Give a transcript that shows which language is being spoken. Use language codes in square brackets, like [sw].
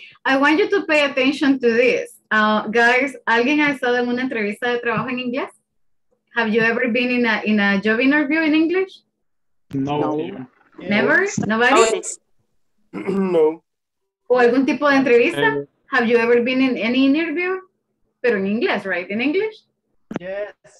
[en] I want you to pay attention to this. [es] Guys, ¿alguien ha estado en una entrevista de trabajo en inglés? [en] Have you ever been in a job interview in English? No. Never? Yeah. Nobody? No. [es] ¿O algún tipo de entrevista? [en] Have you ever been in any interview? [es] Pero en inglés, [en] right? In English? Yes.